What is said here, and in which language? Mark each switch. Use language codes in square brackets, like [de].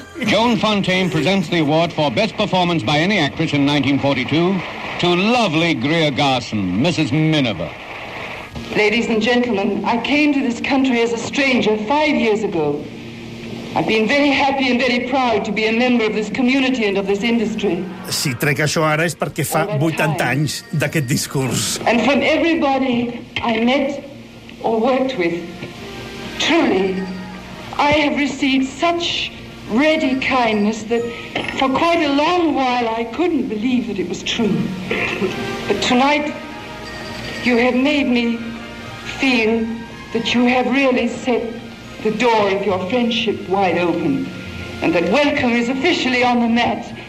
[en] Joan Fontaine presents the award for best performance by any actress in 1942 to lovely Greer Garson, Mrs. Miniver. Ladies and gentlemen, I came to this country as a stranger 5 years ago. I've been very happy and very proud to be a member of this community and of this industry. [ca] Si trec això ara és perquè fa 80 anys d'aquest discurs. [en] And from everybody I met or worked with, truly, I have received such ready kindness that for quite a long while I couldn't believe that it was true. But tonight, you have made me feel that you have really set the door of your friendship wide open, and that welcome is officially on the mat.